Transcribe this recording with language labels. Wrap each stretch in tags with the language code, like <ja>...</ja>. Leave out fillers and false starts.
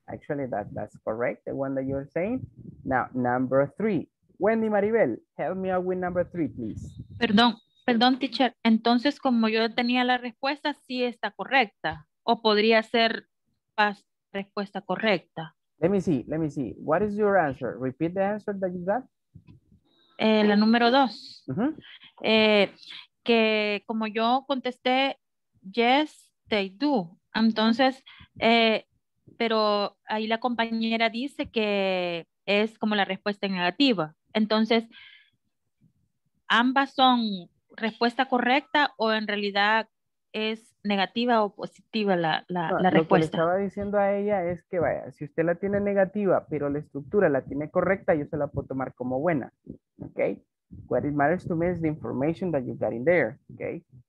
<en>Actually, that's correct, the one that you're saying. Now, number three. Wendy Maribel, help me out with number three, please.</en> <es>Perdón, teacher. Entonces, como yo tenía la respuesta, sí está correcta. O podría ser pasto. Respuesta correcta.</es> <en>Let me see. What is your answer? Repeat the answer that you got.</en> <es>La número dos. Uh-huh. Que como yo contesté,</es> <en>yes, they do.</en> <es>Entonces, pero ahí la compañera dice que es como la respuesta negativa. Entonces, ¿ambas son respuesta correcta o en realidad es negativa o positiva la respuesta? Lo que le estaba diciendo a ella es que vaya, si usted la tiene negativa, pero la estructura la tiene correcta, yo se la puedo tomar como buena, okay?</es> <en>What it matters to me is the information that you got in there, okay?</en>